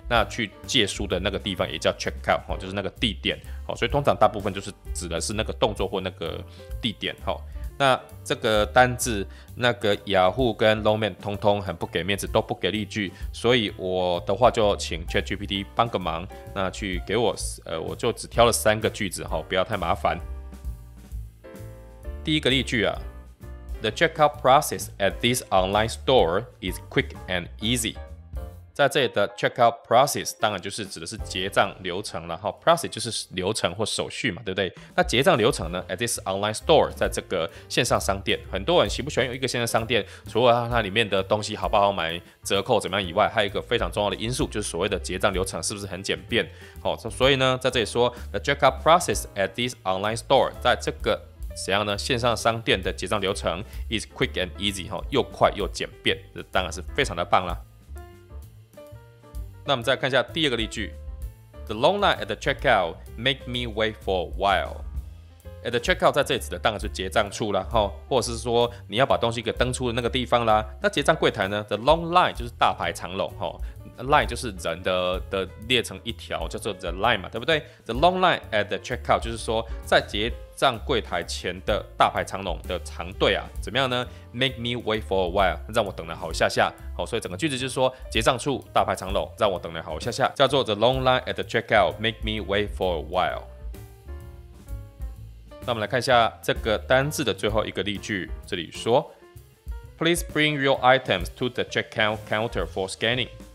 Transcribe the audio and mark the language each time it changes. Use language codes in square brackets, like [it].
[zh] 那去借书的那个地方也叫 check out， 就是那个地点，所以通常大部分就是指的是那个动作或那个地点。那这个单字，那个雅虎跟 Longman 通通很不给面子，都不给例句，所以我的话就请 ChatGPT 帮个忙，那去给我，我就只挑了三个句子，不要太麻烦。第一个例句啊， [en] The checkout process at this online store is quick and easy。 [zh] 在这里的 checkout process 当然就是指的是结账流程了，process 就是流程或手续嘛，对不对？那结账流程呢， [en] at this online store， [zh] 在这个线上商店，很多人喜不喜欢有一个线上商店，除了它里面的东西好不好买，折扣怎么样以外，还有一个非常重要的因素，就是所谓的结账流程是不是很简便。所以呢，在这里说 [en] the checkout process at this online store， [zh] 在这个怎样呢，线上商店的结账流程 [en] is quick and easy， [zh] 又快又简便，这当然是非常的棒啦。那我们再看一下第二个例句， [en] The long line at the checkout make me wait for a while。 At the checkout [zh] 在这里指的当然是结账处啦，或者是说你要把东西给登出的那个地方啦。那结账柜台呢， [en] The long line [zh] 就是大排长龙， line 就是人 的列成一条，叫做 [en] the line [zh] 嘛，对不对？ [en] The long line at the checkout [zh] 就是说在结账柜台前的大排长龙的长队啊，怎么样呢？ [en] Make me wait for a while， [zh] 让我等了好一下下。所以整个句子就是说，结账处大排长龙，让我等了好一下下，叫做 [en] The long line at the checkout make me wait for a while。 [zh] 那我们来看一下这个单字的最后一个例句，这里说 [en] Please bring your items to the checkout counter for scanning。